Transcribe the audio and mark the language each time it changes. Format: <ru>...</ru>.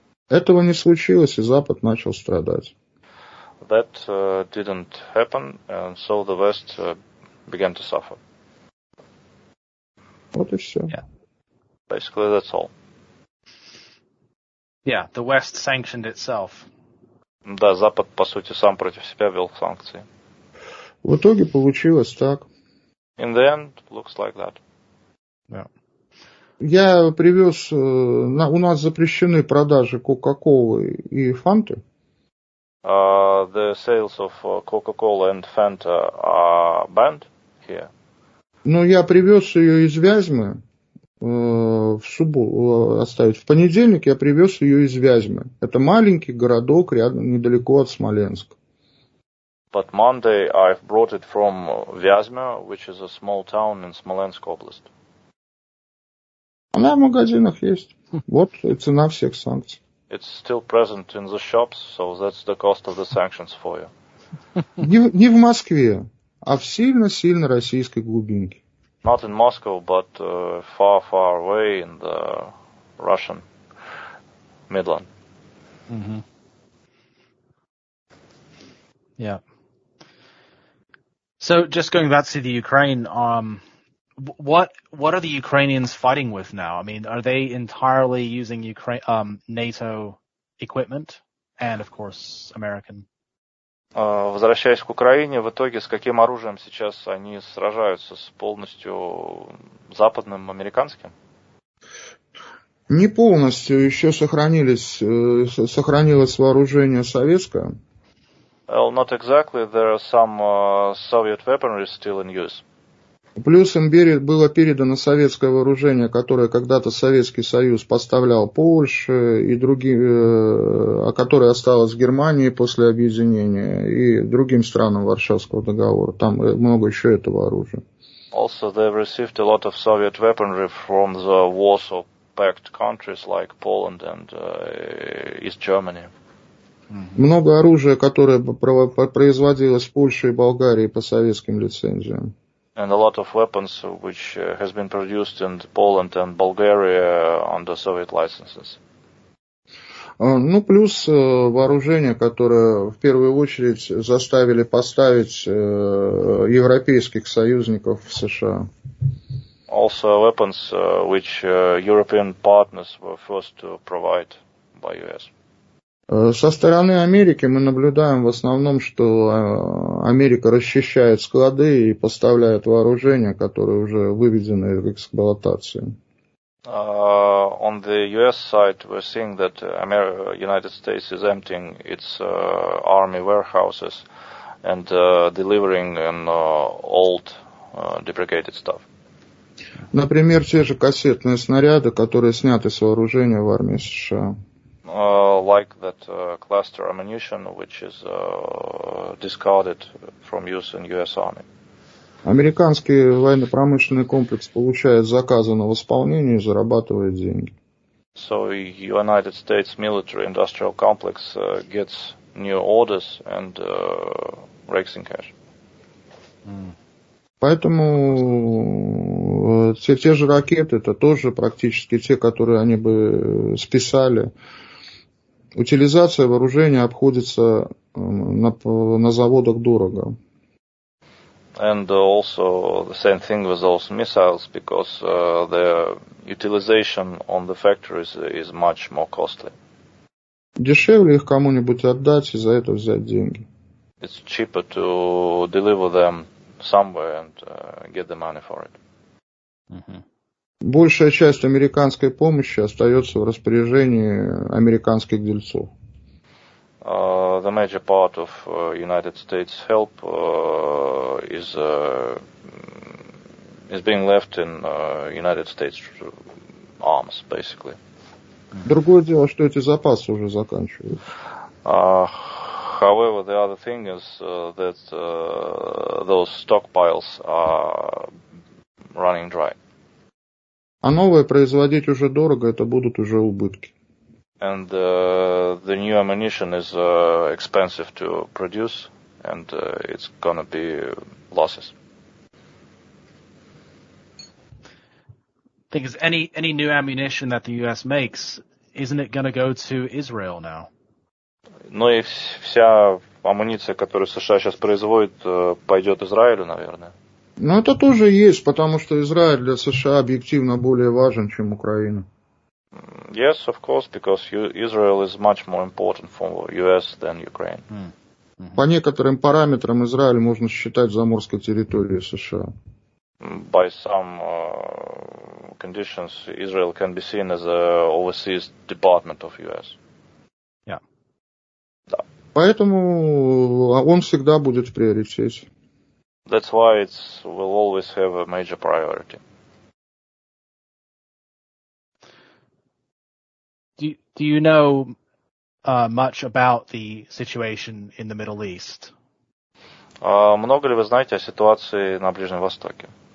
<ru>Этого не случилось, и Запад начал страдать.</ru> <en>That didn't happen, and so the West began to suffer.</en> <ru>Вот и все.</ru> <en>Yeah. Basically, that's all. Yeah, the West sanctioned itself.</en> <ru>Да, Запад, по сути, сам против себя ввел санкции. В итоге получилось так.</ru> <en>In the end, looks like that. Yeah.</en> <ru>Я привез, у нас запрещены продажи Кока-Колы и Фанты.</ru> <en>The sales of Coca-Cola and Fanta are banned here.</en> <ru>Ну, я привез ее из Вязьмы в субботу, оставить. В понедельник я привез ее из Вязьмы. Это маленький городок рядом, недалеко от Смоленска.</ru> <en>But Monday I've brought it from Vyazma, which is a small town in Smolensk Oblast.</en> <ru>Она в магазинах есть. Вот и цена всех санкций.</ru> <en>It's still present in the shops, so that's the cost of the sanctions for you.</en> <ru>Не в Москве, а в сильно-сильно российской глубинке.</ru> <en>Not in Moscow, but far, far away in the Russian Midland. Mm-hmm. Yeah. So, just going back to the Ukraine, what are the Ukrainians fighting with now? I mean, are they entirely using Ukraine NATO equipment and, of course, American?</en> <ru>Возвращаясь к Украине, в итоге с каким оружием сейчас они сражаются? С полностью западным, американским? Не полностью. Еще сохранилось вооружение советское.</ru> <en>Well, not exactly. There are some Soviet weaponry still in use.</en> <ru>Плюс им было передано советское вооружение, которое когда-то Советский Союз поставлял Польше и другим, а которое осталось в Германии после объединения и другим странам Варшавского договора. Там много еще этого оружия.</ru> <en>Also, they've received a lot of Soviet weaponry from the Warsaw Pact countries like Poland and East Germany.</en> <ru>Много оружия, которое производилось в Польше и Болгарии по советским лицензиям.</ru> <en>And a lot of weapons which has been produced in Poland and Bulgaria under Soviet licenses.</en> <ru>Ну плюс вооружение, которое в первую очередь заставили поставить европейских союзников в США.</ru> <en>Also weapons which European partners were first to provide by US.</en> <ru>Со стороны Америки мы наблюдаем в основном, что Америка расчищает склады и поставляет вооружение, которое уже выведено из эксплуатации.</ru> <en>On the US side, we're seeing that United States is emptying its army warehouses and delivering an old deprecated stuff.</en> <ru>Например, те же кассетные снаряды, которые сняты с вооружения в армии США.</ru> <en>Like that cluster ammunition, which is discarded from use in U.S. Army.</en> <ru>Американский военно-промышленный комплекс получает заказы на восполнение и зарабатывает деньги.</ru> <en>So United States military industrial complex gets new orders and rakes in cash.</en> <ru>Поэтому те же ракеты, это тоже практически те, которые они бы списали. Утилизация вооружения обходится на заводах дорого.</ru> <en>And also the same thing with those missiles, because the utilization on the factories is much more costly.</en> <ru>Дешевле их кому-нибудь отдать и за это взять деньги.</ru> <en>It's cheaper to deliver them somewhere and get the money for it.</en> <ru>Большая часть американской помощи остается в распоряжении американских дельцов.</ru> <en>The major part of United States help is being left in United States arms, basically.</en> <ru>Другое дело, что эти запасы уже заканчиваются.</ru> <en>However, the other thing is that those stockpiles are running dry.</en> <ru>А новое производить уже дорого, это будут уже убытки.</ru> <en>And the new ammunition is expensive to produce, and it's gonna be losses. Think is any new ammunition that the US makes, isn't it gonna go to Israel now?</en> <ru>Ну и вся амуниция, которую США сейчас производит, пойдет Израилю, наверное. Но это тоже есть, потому что Израиль для США объективно более важен, чем Украина.</ru> <en>Yes, of course, because Israel is much more important for US than Ukraine. Mm-hmm.</en> <ru>По некоторым параметрам Израиль можно считать заморской территорией США.</ru> <en>By some conditions, Israel can be seen as an overseas department of U.S.</en> <ru>Поэтому он всегда будет в приоритете.</ru> <en>That's why it will always have a major priority. Do you know much about the situation in the Middle East?</en> <ru>Много ли вы знаете о ситуации на Ближнем Востоке?</ru>